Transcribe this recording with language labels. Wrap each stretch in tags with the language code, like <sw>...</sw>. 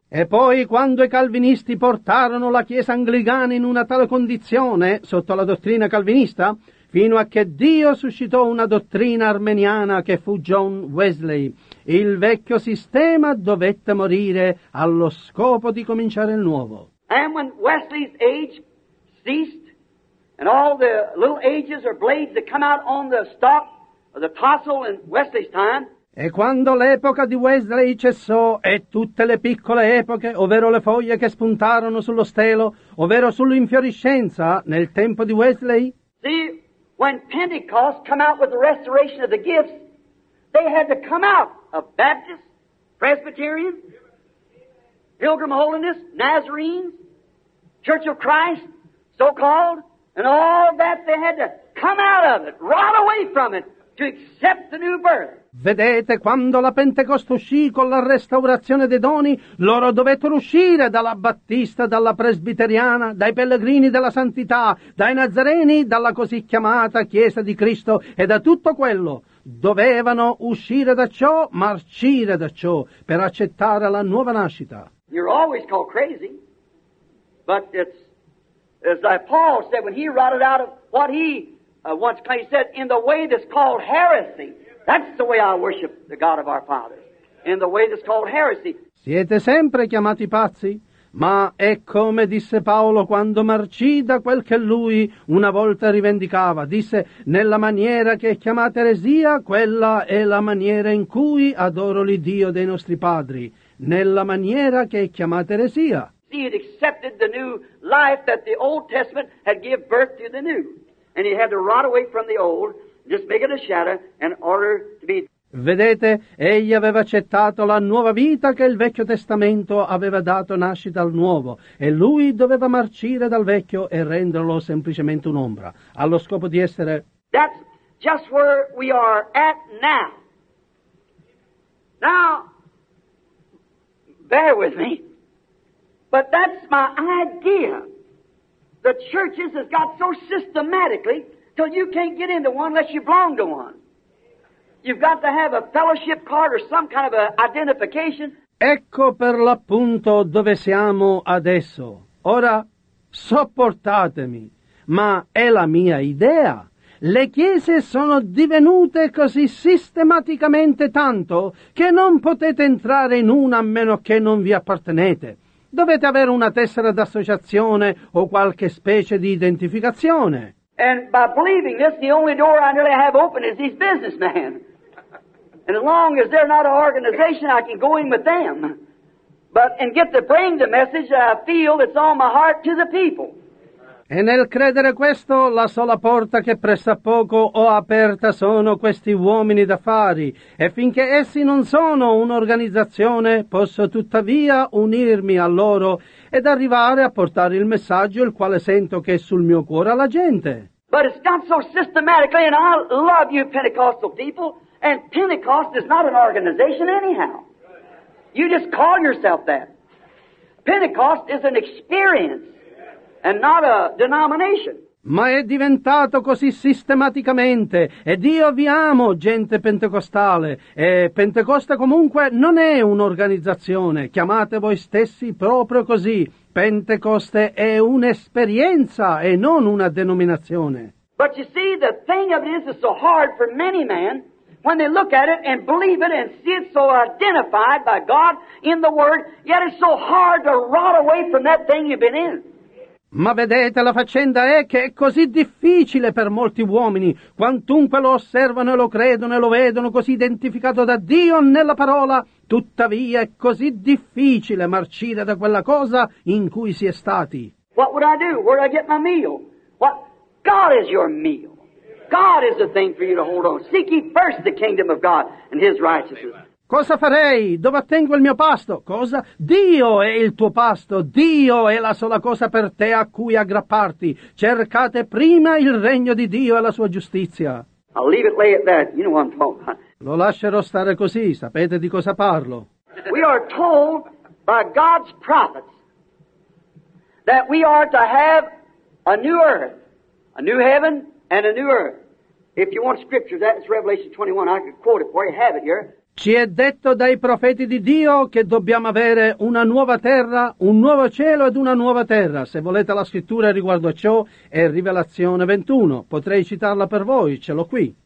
<it>E poi quando i calvinisti portarono la chiesa anglicana in una tale condizione, sotto la dottrina calvinista, fino a che Dio suscitò una dottrina armeniana che fu John Wesley, il vecchio sistema dovette morire allo scopo di cominciare il nuovo.</it> <en>And when Wesley's age ceased, and all the little ages or blades that come out on the stalk, the tassel in Wesley's time.</en> <it>E quando l'epoca di Wesley cessò e tutte le piccole epoche, ovvero le foglie che spuntarono sullo stelo, ovvero sull'infioriscenza nel tempo di Wesley.</it> <en>See, when Pentecost come out with the restoration of the gifts, they had to come out of Baptists, Presbyterians, Pilgrim Holiness, Nazarenes, Church of Christ, so-called, and all that they had to come out of it, rot away from it. To accept the new birth.</en> <it>Vedete, quando la Pentecoste uscì con la restaurazione dei doni, loro dovettero uscire dalla Battista, dalla Presbiteriana, dai Pellegrini della Santità, dai Nazareni, dalla così chiamata Chiesa di Cristo e da tutto quello. Dovevano uscire da ciò, marcire da ciò, per accettare la nuova nascita.</it> <en>You're always called crazy, but it's as Paul said when he rotted out of what he once he said, in the way that's called heresy, that's the way I worship the God of our fathers. In the way that's called heresy.</en> <it>Siete sempre chiamati pazzi? Ma è come disse Paolo quando marcì da quel che lui una volta rivendicava. Disse, nella maniera che è chiamata eresia, quella è la maniera in cui adoro l'Iddio dei nostri padri. Nella maniera che è chiamata eresia.</it> <en>He had accepted the new life that the Old Testament had given birth to the new. And he had to rot away from the old, just make it a shadow, in order to be...</en> <it>Vedete, egli aveva accettato la nuova vita che il Vecchio Testamento aveva dato nascita al nuovo, e lui doveva marcire dal vecchio e renderlo semplicemente un'ombra, allo scopo di essere...</it> <en>That's just where we are at now. Now, bear with me, but that's my idea. The churches has got so systematically till you can't get into one unless you belong to one. You've got to have a fellowship card or some kind of a identification.</en> <it>Ecco per l'appunto dove siamo adesso. Ora, sopportatemi, ma è la mia idea. Le chiese sono divenute così sistematicamente tanto che non potete entrare in una a meno che non vi appartenete. Dovete avere una tessera d'associazione o qualche specie di identificazione.</it> <en>And by believing this, the only door I really have open is these businessmen. And as long as they're not an organization, I can go in with them. but and get to bring the message that I feel that's on my heart to the people.</en> <it>E nel credere questo, la sola porta che presso poco ho aperta sono questi uomini d'affari, e finché essi non sono un'organizzazione, posso tuttavia unirmi a loro ed arrivare a portare il messaggio il quale sento che è sul mio cuore alla gente.</it> <en>But it's done so systematically, and I love you Pentecostal people, and Pentecost is not an organization anyhow. You just call yourself that. Pentecost is an experience. And not a denomination.</en> <it>Ma è diventato così sistematicamente, ed io vi amo, gente pentecostale, e Pentecoste comunque non è un'organizzazione, chiamate voi stessi proprio così, Pentecoste è un'esperienza e non una denominazione.</it> <en>But you see, the thing of this is so hard for many men, when they look at it and believe it and see it so identified by God in the Word, yet it's so hard to rot away from that thing you've been in.</en> <it>Ma vedete, la faccenda è che è così difficile per molti uomini, quantunque lo osservano e lo credono e lo vedono così identificato da Dio nella parola, tuttavia è così difficile marcire da quella cosa in cui si è stati.</it> <en>What would I do? Where would I get my meal? What? God is your meal. God is the thing for you to hold on. Seek ye first the kingdom of God and His righteousness.</en> <it>Cosa farei? Dove attengo il mio pasto? Cosa? Dio è il tuo pasto, Dio è la sola cosa per te a cui aggrapparti. Cercate prima il regno di Dio e la sua giustizia.</it> <en>I'll leave it, lay it there. You know what I'm talking about.</en> <it>Lo lascerò stare così, sapete di cosa parlo.</it> <en>We are told by God's prophets that we are to have a new earth, a new heaven and a new earth. If you want scripture, that's Revelation 21, I could quote it for you, have it here.</en> <it>Ci è detto dai profeti di Dio che dobbiamo avere una nuova terra, un nuovo cielo ed una nuova terra. Se volete la scrittura riguardo a ciò, è Rivelazione 21. Potrei citarla per voi, ce l'ho qui.</it>